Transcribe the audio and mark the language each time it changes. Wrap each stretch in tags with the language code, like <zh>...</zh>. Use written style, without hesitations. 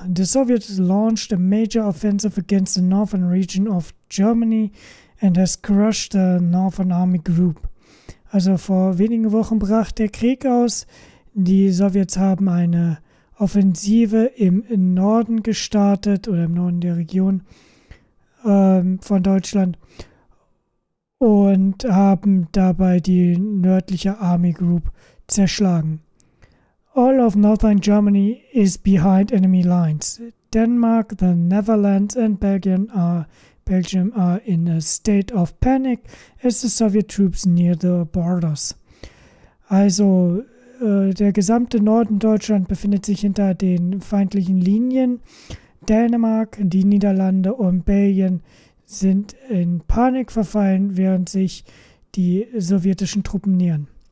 <en>The Soviets launched a major offensive against the northern region of Germany and has crushed the Northern Army Group.</en> <de>Also vor wenigen Wochen brach der Krieg aus. Die Sowjets haben eine Offensive im Norden gestartet oder im Norden der Region von Deutschland und haben dabei die nördliche Army Group zerschlagen.</de> <en>All of Northern Germany is behind enemy lines. Denmark, the Netherlands and Belgium are in a state of panic as the Soviet troops near the borders.</en> <de>Also der gesamte Norden Deutschland befindet sich hinter den feindlichen Linien. Dänemark, die Niederlande und Belgien sind in Panik verfallen, während sich die sowjetischen Truppen nähern.</de>